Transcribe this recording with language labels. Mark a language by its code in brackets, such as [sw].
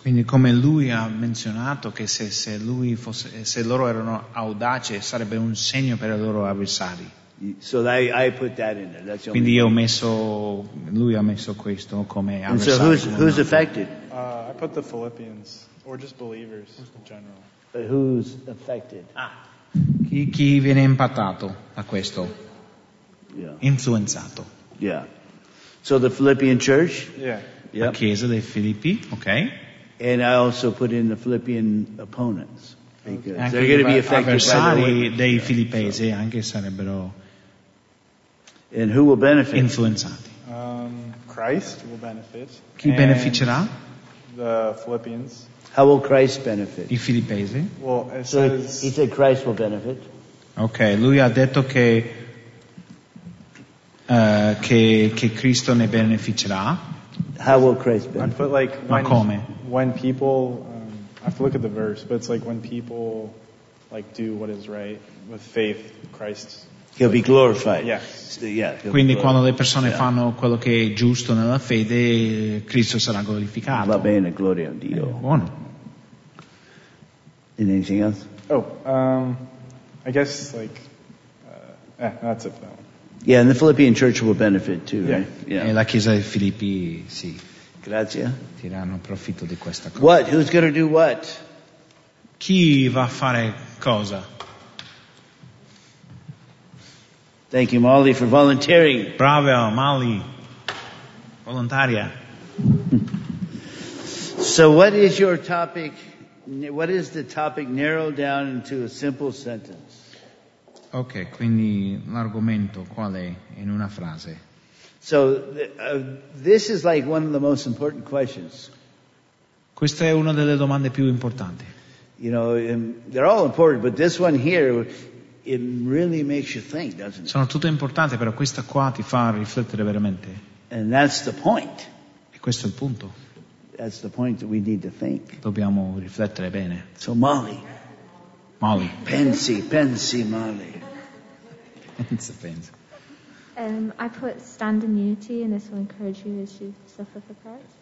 [it] Quindi come lui ha menzionato che se lui fosse, se loro erano audaci, sarebbe un segno per I loro avversari. [en] So I put that in there. That's [it] quindi io ho messo, lui ha messo questo come avversari. [en] And so who's affected? I put the Philippians or just believers in general. But who's affected? [it] Ah, chi viene impattato da questo? [en] Yeah. [it] Influenzato. [en] Yeah. So the Philippian church. Yeah. [it] Yep. La chiesa dei Filippi. Okay. [en] And I also put in the Philippian opponents because [it] anche [en] they're going to be affected by the [it] avversari dei filippesi anche sarebbero. [en] And who will benefit? [it] Influenzati. [en] Christ will benefit. [it] Chi beneficerà? [en] The Philippians. How will Christ benefit? [it] I filippesi. [en] Well, he said Christ will benefit. [it] Okay. Lui ha detto che. Che Cristo ne beneficerà. [en] How will Christ benefit? I put like when, [it] ma come? [en] When people, I have to look at the verse, but it's like when people like do what is right with faith, Christ. He'll be glorified. Yes. Yeah. [it] Quindi quando le persone fanno quello che è giusto nella fede, Cristo sarà glorificato. Va bene, gloria a Dio. Buono. [en] And anything else? Oh, I guess like, that's it for that one. Yeah, and the Philippian church will benefit too, right? Yeah. [it] E la chiesa dei Filippi, sì. Grazie. Tirano profitto di questa cosa. [en] What? Who's going to do what? [it] Chi va a fare cosa? [en] Thank you, Molly, for volunteering. [it] Bravo, Molly. Volontaria. [en] So what is your topic? What is the topic narrowed down into a simple sentence? [it] Ok, quindi l'argomento qual è in una frase? [en] So, this is like one of the most important questions. [it] Questa è una delle domande più importanti. [en] You know, they're all important, but this one here, it really makes you think, doesn't it? [it] Sono tutte importanti, però questa qua ti fa riflettere veramente. [en] And that's the point. [it] E questo è il punto. [en] That's the point that we need to think. [it] Dobbiamo riflettere bene. [en] So Molly. Molly. [it] Pensi Molly. Pensa. [en] I put stand in unity, and this will encourage you as you suffer for Christ.